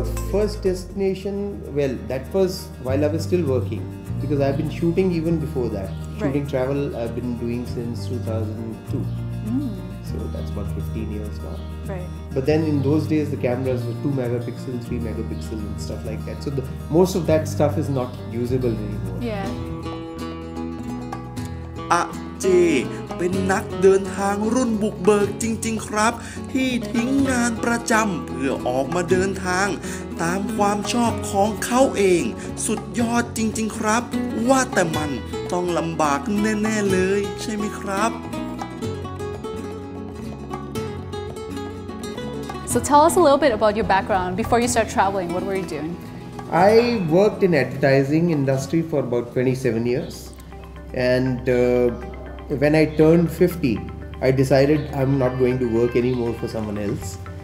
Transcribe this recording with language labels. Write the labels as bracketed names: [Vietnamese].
[English] First destination, well, that was while I was still working because I've been shooting even before that. Shooting right. Travel I've been doing since 2002. So that's about 15 years now. Right. But then in those days the cameras were 2 megapixel, 3 megapixel and stuff like that. So most of that stuff is not usable anymore. Yeah. [Thai] เป็นนักเดินทางรุ่นบุกเบิกจริงๆครับที่ทิ้งงานประจำเพื่อออกมาเดินทางตามความชอบของเขาเองสุดยอดจริงๆครับว่าแต่มันต้องลำบากแน่ๆเลยใช่ไหมครับ [English] So tell us a little bit about your background before you start traveling. What were you doing? I worked in advertising industry for about 27 years and When I turned 50, I decided I'm not going to work anymore for someone else.